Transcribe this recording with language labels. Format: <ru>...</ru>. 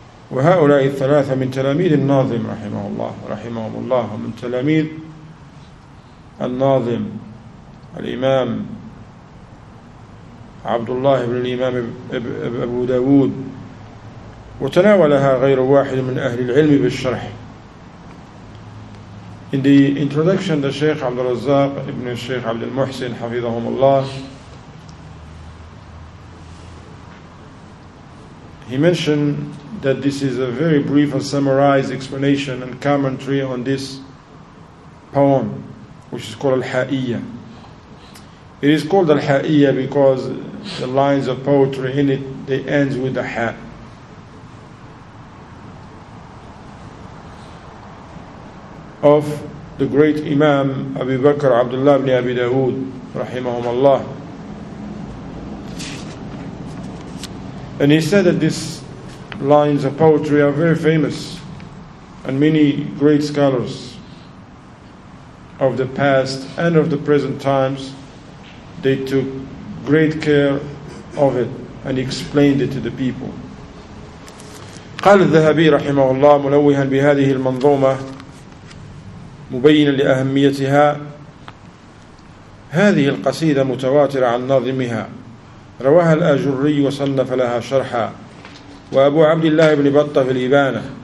<ar>وهؤلاء الثلاثة من تلاميذ الناظم رحمه الله، رحمهم الله، ومن تلاميذ الناظم الإمام عبد الله بن الإمام أبو داود. وتناولها غير واحد من أهل العلم بالشرح.</ar> <en>In the introduction, the Shaykh Abdul Razzaq ibn Shaykh Abdul Muhsin</en> <ar>حفظهم الله,</ar> <en>he mentioned that this is a very brief and summarized explanation and commentary on this poem, which is called Al-Ha'iyya. It is called Al-Ha'iyya because the lines of poetry in it, they end with a ha, of the great Imam Abu Bakr Abdullah ibn Abi Dawood</en> <ar>رحمهم الله.</ar> <en>And he said that these lines of poetry are very famous, and many great scholars of the past and of the present times, they took great care of it and explained it to the people.</en> <ar>قال الذهبي رحمه الله ملوها بهذه المنظومة مبينا لأهميتها: هذه القصيدة متواترة عن ناظمها، رواها الآجري وصنف لها شرحا، وأبو عبد الله بن بطة في الإبانة،</ar>